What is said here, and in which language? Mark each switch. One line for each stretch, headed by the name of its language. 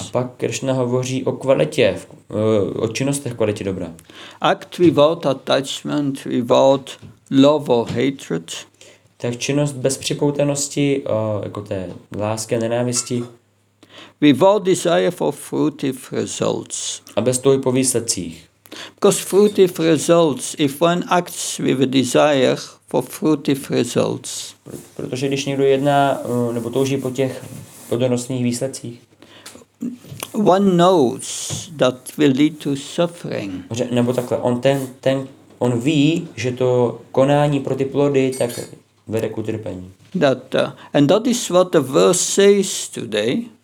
Czech: A pak Krishna hovoří o kvalitě, o činnostech kvalitě dobra.
English: Act without attachment, without love or hatred.
Czech: Tak činnost bez připoutanosti, jako té lásky a nenávisti.
English: Without desire for fruitive results.
Czech: A bez touhy po výsledcích.
English: Because fruitive results, if one acts with a desire for fruitive results.
Czech: Protože když někdo jedná nebo touží po těch plodonosných výsledcích.
English: One knows that will lead to suffering.
Czech: Nebo takhle, on ví, že to konání pro ty plody tak vede k utrpení.
English: And that is what the verse says today.